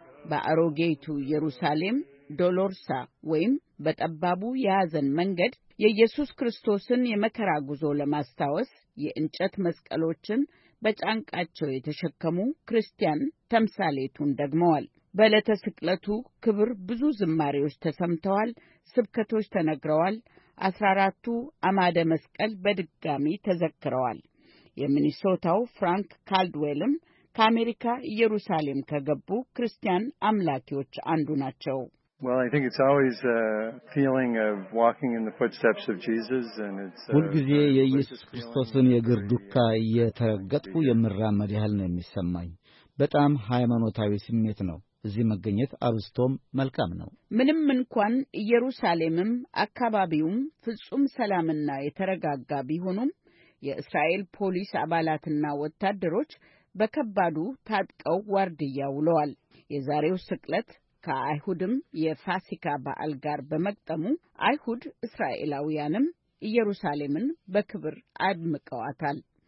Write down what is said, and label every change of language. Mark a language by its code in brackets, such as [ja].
[am] በአሮጌቱ ኢየሩሳሌም ዶሎርሳ ወይም በጠባቡ ያዘን መንገድ የኢየሱስ ክርስቶስን የመከራ ጉዞ ለማስታወስ የእንጨት መስቀሎችን በጫንቃቸው የተሸከሙ ክርስቲያን ተምሳሌቱን ደግመዋል። በዕለተ ስቅለቱ ክብር ብዙ ዝማሬዎች ተሰምተዋል፣ ስብከቶች ተነግረዋል፣ 14ቱ አማደ መስቀል በድጋሚ ተዘክረዋል። የሚኒሶታው ፍራንክ ካልድዌልም ከአሜሪካ ኢየሩሳሌም ከገቡ ክርስቲያን አምላኪዎች አንዱ ናቸው። [en] Well, I think it's always a feeling of walking in the footsteps of Jesus and it's [am] ሁልጊዜ የኢየሱስ ክርስቶስን የእግር ዱካ እየተረገጥኩ የምራመድ ያህል ነው የሚሰማኝ። በጣም ሃይማኖታዊ ስሜት ነው። እዚህ መገኘት አብስቶም መልካም ነው። ምንም እንኳን ኢየሩሳሌምም አካባቢውም ፍጹም ሰላምና የተረጋጋ ቢሆኑም የእስራኤል ፖሊስ አባላትና ወታደሮች በከባዱ ታጥቀው ዋርድያ ውለዋል። የዛሬው ስቅለት ከአይሁድም የፋሲካ በዓል ጋር በመቅጠሙ አይሁድ እስራኤላውያንም ኢየሩሳሌምን በክብር አድምቀዋታል።